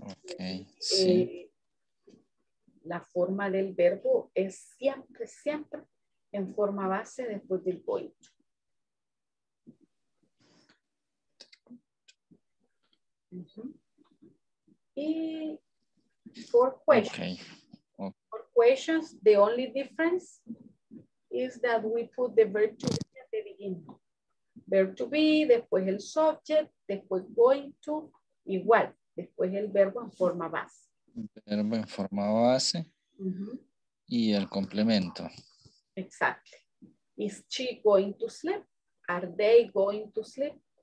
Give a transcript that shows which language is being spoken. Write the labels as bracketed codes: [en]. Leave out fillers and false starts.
[es] Okay, sí. La forma del verbo es siempre, siempre en forma base después del going to. [en] Y for questions. Okay. For questions, the only difference is that we put the verb to be at the beginning. [es] Verb to be, después el subject, después going to, igual, después el verbo en forma base. Verbo en forma base y el complemento. [en] Exactly. Is she going to sleep? Are they going to sleep?